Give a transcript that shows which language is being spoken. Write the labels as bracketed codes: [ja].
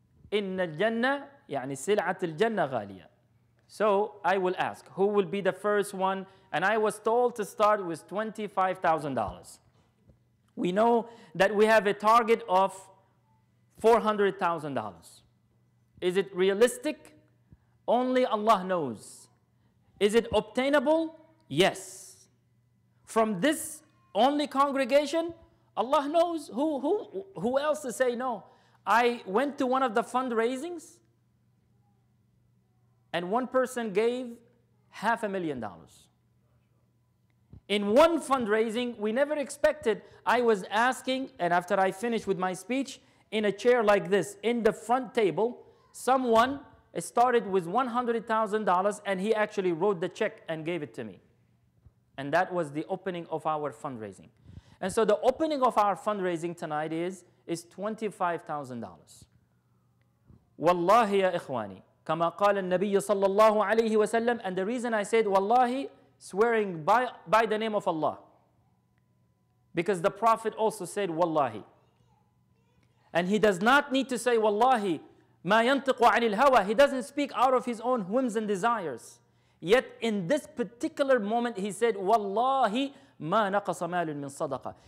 [ar] Inna al-Jannah, يعني سلعة الجنة غالية. [en] So I will ask, who will be the first one? And I was told to start with $25,000. We know that we have a target of $400,000. Is it realistic? Only Allah knows. Is it obtainable? Yes. From this only congregation, Allah knows. Who else to say no? I went to one of the fundraisings, and one person gave $500,000. In one fundraising, we never expected. I was asking, and after I finished with my speech, in a chair like this, in the front table, someone started with $100,000, and he actually wrote the check and gave it to me. And that was the opening of our fundraising. And so the opening of our fundraising tonight is $25,000. [ar] Wallahi ya ikhwani, كما قال النبي صلى الله عليه وسلم. [en] And the reason I said wallahi, swearing by the name of Allah, because the Prophet also said wallahi. And he does not need to say wallahi, مَا يَنْطِقُ عَنِ الْهَوَى. He doesn't speak out of his own whims and desires. Yet in this particular moment, he said, وَاللَّهِ مَا نَقَصَ مَالٌ مِّن صَدَقَةٍ.